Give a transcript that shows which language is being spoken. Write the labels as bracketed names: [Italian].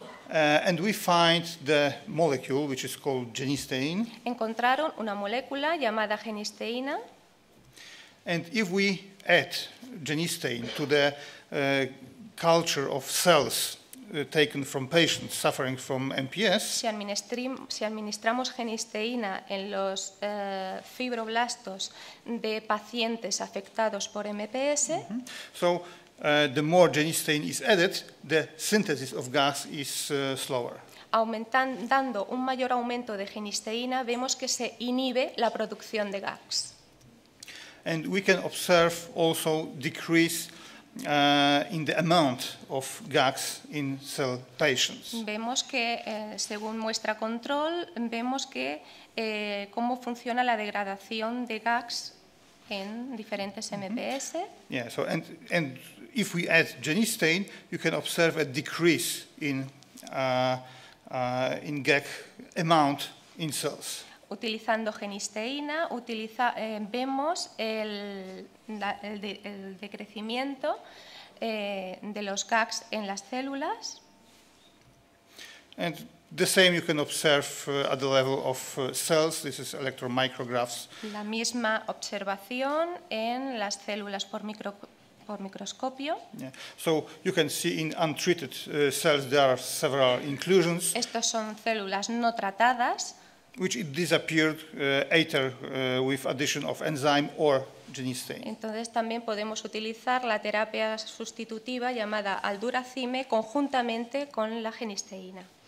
[English] And we find the molecule which is called genisteine. [Spanish] Encontraron una molécula llamada genisteína. [English] And if we add genisteine to the culture of cells taken from patients suffering from MPS. [Spanish] Si administramos genisteína en los fibroblastos de pacientes afectados por MPS. [English] So, the more genisteine is added, the synthesis of GAGs is slower. [Spanish] Dando un mayor aumento de genisteína, vemos que se inhibe la producción de GAGs. [English] And we can observe also decrease in the amount of GAGs in cell patients. [Spanish] Vemos que, según muestra control, vemos que cómo funciona la degradación de GAGs en diferentes MPS. [English] Yeah, so and if we add genisteine, you can observe a decrease in GAG amount in cells. [Spanish] Utilizando genisteína, vemos el decrecimiento de los GAGs en las células. [English] And the same you can observe at the level of cells. This is electron micrographs. [Spanish] La misma observación en las células por microscopio. Yeah. [English] So you can see in untreated cells there are several inclusions. [Spanish] Estos son células no tratadas. [English] Which it disappeared either with addition of enzyme or genisteine. [Spanish] Entonces también podemos utilizar la terapia sustitutiva llamada alduracime conjuntamente con la genisteína.